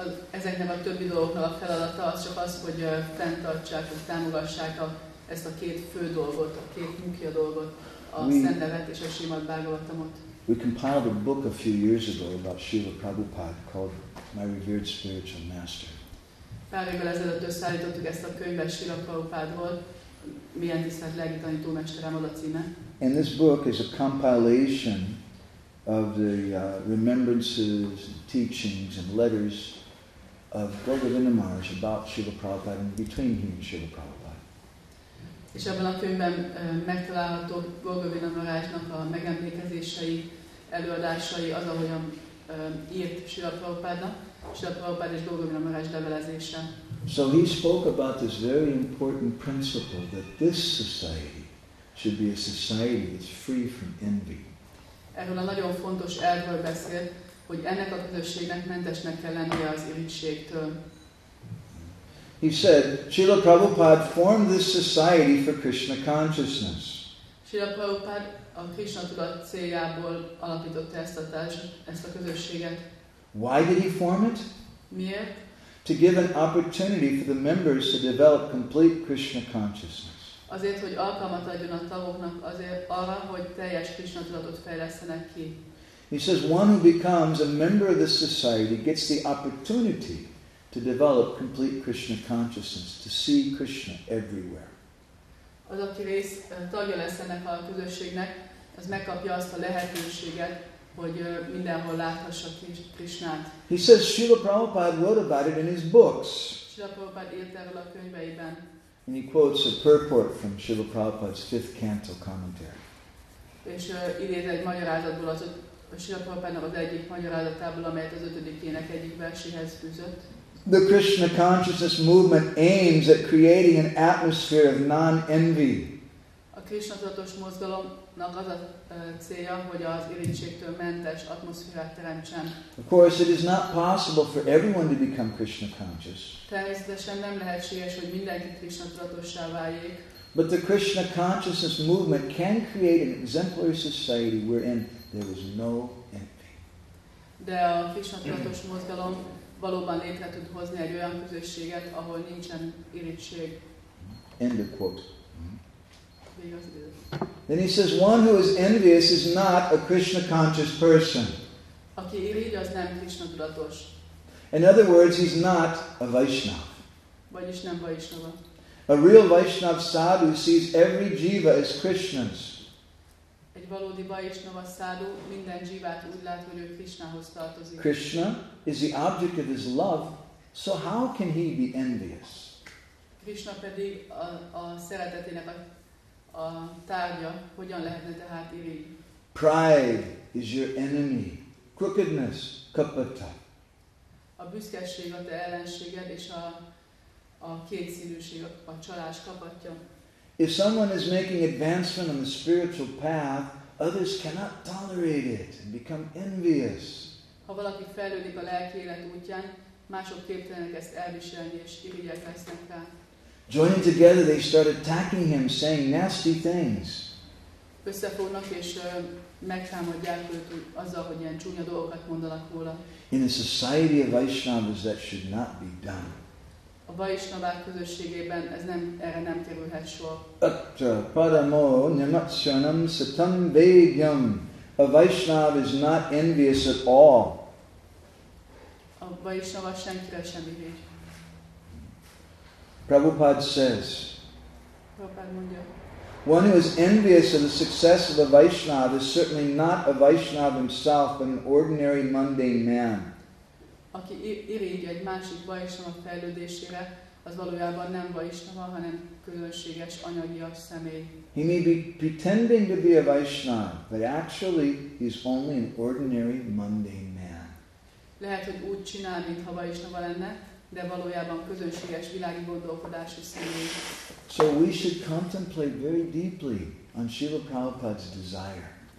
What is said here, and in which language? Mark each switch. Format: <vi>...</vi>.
<hu>Ezeknek a többi dolgoknak a feladata az csak az, hogy fenntartsák, hogy támogassák ezt a két fő dolgot, a két munkia dolgot, a szent nevet és a Srimad Bhagavatamot.</hu> <en>We compiled a book a few years ago about Srila Prabhupada called My Revered Spiritual Master.</en> <hu>Pár évvel ezelőtt összeállítottuk ezt a könyvet Srila Prabhupádról, Milyen tisztelt legitanító mesterem, az a címe.</hu> <en>And this book is a compilation of the remembrances and teachings and letters of Gaudiya Maharaj about Srila Prabhupada and between him and Srila Prabhupada.</en> <hu>És ebben a könyvben megtalálható Gaudiya Maharajnak a megemlékezései, előadásai, az, ahogyan írt Srila Prabhupada, Srila Prabhupada és Gaudiya Maharaj levelezése.</hu> <en>So he spoke about this very important principle that this society should be a society that's free from envy.</en> <hu>Erről a nagyon fontos elvről beszélt, hogy ennek a közösségnek mentesnek kell lennie az irigységtől.</hu> <en>He said, Srila Prabhupada formed this society for Krishna consciousness.</en> <hu>Srila Prabhupada a Krishna tudat céljából alapította ezt a közösséget.</hu> <en>Why did he form it?</en> <hu>Miért?</hu> <en>To give an opportunity for the members to develop complete Krishna consciousness.</en> <hu>Azért, hogy alkalmat adjon a tagoknak, azért arra, hogy teljes Krishna tudatot fejlesztenek ki.</hu> <en>He says, one who becomes a member of this society gets the opportunity to develop complete Krishna consciousness, to see Krishna everywhere.</en> <hu>Az, aki rész tagja lesz ennek a közösségnek, az megkapja azt a lehetőséget, hogy mindenhol láthassa Krishnát.</hu> <en>He says, Srila Prabhupada wrote about it in his books.</en> <hu>Srila Prabhupada írt erről a könyveiben.</hu> <en>And he quotes a purport from Srila Prabhupada's fifth canto commentary.</en> <hu>És idéz egy magyarázatból az a Srila Prabhupádnak az egyik magyarázatából, amelyet az ötödik ének egyik verséhez fűzött.</hu> <en>The Krishna consciousness movement aims at creating an atmosphere of non-envy.</en> <hu>A Krishna tudatos mozgalomnak az a célja, hogy az irigységtől mentes atmoszférát teremtsen.</hu> <en>Of course, it is not possible for everyone to become Krishna conscious.</en> <hu>Természetesen nem lehetséges, hogy mindenki Krishna tudatossá váljék.</hu> <en>But the Krishna consciousness movement can create an exemplary society wherein there is no envy.</en> <hu>De a Krishna tudatos mozgalom valóban létre tud hozni egy olyan közösséget, ahol nincsen irigység.</hu> <en>End of quote. Then he says, one who is envious is not a Krishna conscious person.</en> <hu>Aki irigy, az nem Krishna tudatos.</hu> <en>In other words, he's not a Vaishnava.</en> <hu>Vagyis nem Vaishnava.</hu> <en>A real Vaishnava sadhu sees every jiva as Krishna's.</en> <hu>Egy valódi Vaishnava sadhu minden jivát úgy lát, hogy ő Krishnához tartozik.</hu> <en>Krishna is the object of his love, so how can he be envious?</en> <hu>Krishna pedig a szeretetének a tárgya, hogyan lehetne tehát irigy?</hu> <en>Pride is your enemy. Crookedness, kapata.</en> <hu>A büszkeség a te ellenséged, és a kétszínűség, a csalás kapatja.</hu> <en>If someone is making advancement on the spiritual path, others cannot tolerate it and become envious.</en> <hu>Ha valaki fejlődik a lelki élet útján, mások képtelenek ezt elviselni, és irigyek lesznek rá.</hu> <en>Joining together, they start attacking him, saying nasty things.</en> <hu>Összefognak és megtámadják őt azzal, hogy ilyen csúnya dolgokat mondanak róla.</hu> <en>In a society of Vaishnavas, that should not be done.</en> <hu>A Vaishnavák közösségében ez nem, erre nem kerülhet soha.</hu> <sa>Atra paramo namatsyanam satam vegyam</sa> <en>A Vaishnava is not envious at all.</en> <hu>A Vaishnava senkire sem irigy.</hu> <en>Prabhupada says,</en> <hu>Prabhupada mondja,</hu> <en>one who is envious of the success of a Vaishnava is certainly not a Vaishnava himself, but an ordinary mundane man.</en> <hu>Aki irigy egy másik Vaishnava fejlődésére, az valójában nem Vaishnava, hanem különséges anyagias személy.</hu> <en>He may be pretending to be a Vaishnava, but actually he's only an ordinary mundane man.</en> <hu>Lehet, hogy úgy csinál, mintha Vaishnava lenne, de valójában közönséges világi gondolkodású személy.</hu> <en>So we should contemplate very deeply on Srila Prabhupada's desire.</en>